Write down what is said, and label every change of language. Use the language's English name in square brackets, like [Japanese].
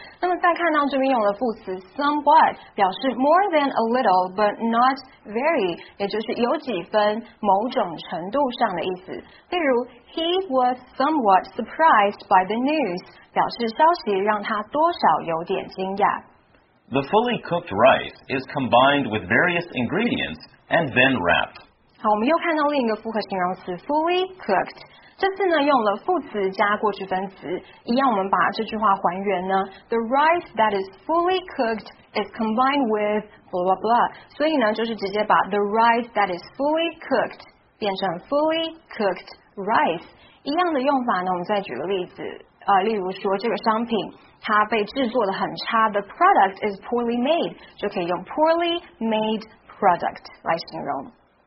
[Chinese] 那么再看到这边用了副词 somewhat, 表示 [English] more than a little, but not very, [Chinese] 也就是有几分某种程度上的意思。例如 [English] he was somewhat surprised by the news, [Chinese] 表示消息让他多少有点惊讶。 [English] The fully cooked rice is combined with various ingredients and then wrapped. [Chinese] 好，我们又看到另一个复合形容词 fully cooked。这次呢，用了副词加过去分词，一样我们把这句话还原呢。 [English] The rice that is fully cooked is combined with blah blah blah。 [Chinese] 所以呢，就是直接把 [English] the rice that is fully cooked [Chinese] 变成 [English] fully cooked rice。 [Chinese] 一样的用法呢，我们再举个例子，例如说这个商品它被制作的很差 ， [English] the product is poorly made， [Chinese] 就可以用 [English] poorly made product [Chinese] 来形容。